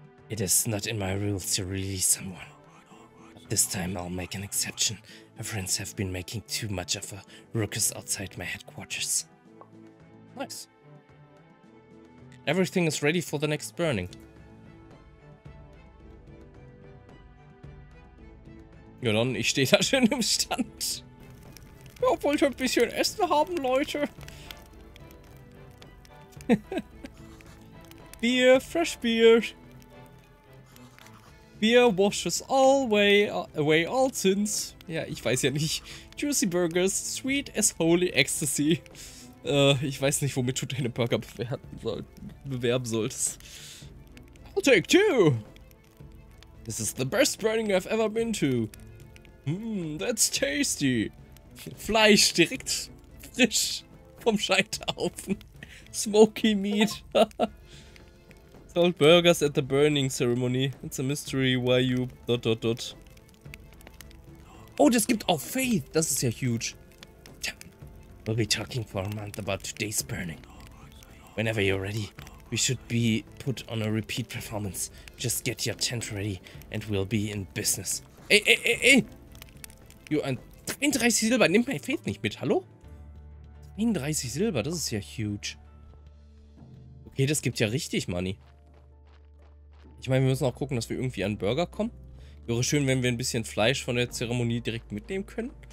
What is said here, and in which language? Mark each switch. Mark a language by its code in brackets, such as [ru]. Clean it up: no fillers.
[en] It is not in my rules to release someone. But this time I'll make an exception. My friends have been making too much of a ruckus outside my headquarters. Nice. Everything is ready for the next burning. [de] Ja dann, ich stehe da schön im Stand. Ja, wollt ihr ein bisschen Essen haben, Leute? [en] Bier, fresh beer. Beer washes all way, away all sins. [de] Ja, ich weiß ja nicht. [en] Juicy Burgers, sweet as holy ecstasy. [de] Ich weiß nicht, womit du deine Burger bewerben solltest. [en] I'll take two. This is the best burning I've ever been to. Mmm, that's tasty. [de] Fleisch direkt frisch vom Scheiterhaufen. [en] Smoky meat. Sold burgers at the burning ceremony. It's a mystery why you... Dot, dot, dot. [de] Oh, das gibt auch Faith. Das ist ja huge. [en] We'll be talking for a month about today's burning. Whenever you're ready, we should be put on a repeat performance. Just get your tent ready and we'll be in business. Ey, ey, ey, ey! [de] Jo, 32 Silber. Nimm mein Faith nicht mit, hallo? 32 Silber, das ist ja huge. Hey, das gibt ja richtig Money. Ich meine, wir müssen auch gucken, dass wir irgendwie an Burger kommen. Wäre schön, wenn wir ein bisschen Fleisch von der Zeremonie direkt mitnehmen können.